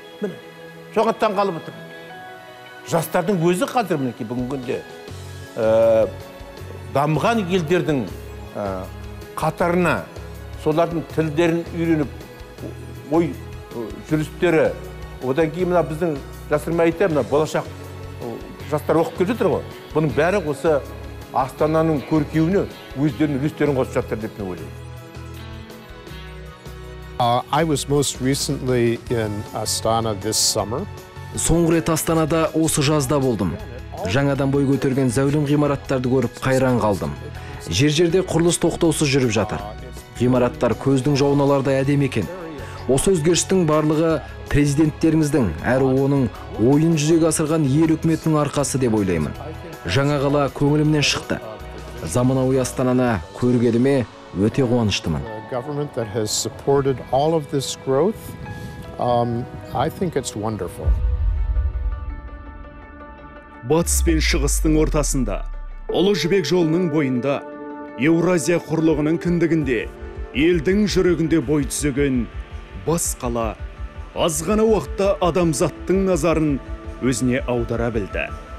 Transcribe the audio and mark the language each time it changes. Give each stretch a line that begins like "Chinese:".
Kazakh: Міне, соған таң қалып отырмын. Жастардың өзі қазір мінекей бүгінгінде дамыған елдердің қатарына солардың тілдерін үйреніп, ой жүрістері, одан кейін мына біздің жасырмай айтайын, мына болашақ жастар оқып келе жатыр ғой. Бұның бәрі осы Астананың көркеюіне өздерінің үлестерін қосып жатыр деп мен ойлаймын.
English: I was most recently in Astana this summer.
Kazakh: Соңғы рет Астанада осы жазда болдым. Жаңадан бой көтерген зәулім ғимараттарды көріп қайран қалдым. Жер-жерде құрылыс тоқтаусыз жүріп жатыр. Ғимараттар көздің жауын алардай әдемі екен. Осы өзгерістің барлығы президенттеріңіздің, әрі оның ойын жүзеге асырған ел үкіметінің арқасы деп ойлаймын. Жаңа қала көңілімнен шықты. Заманауи Астананы көргеніме өте қуаныштымын.
English: Government that has supported all of this growth, I think it's wonderful.
Kazakh: батыс пен шығыстың ортасында, Ұлы Жібек жолының бойында, Еуразия құрлығының кіндігінде, елдің жүрегінде бой түзеген бас қала аз ғана уақытта адамзаттың назарын өзіне аудара білді.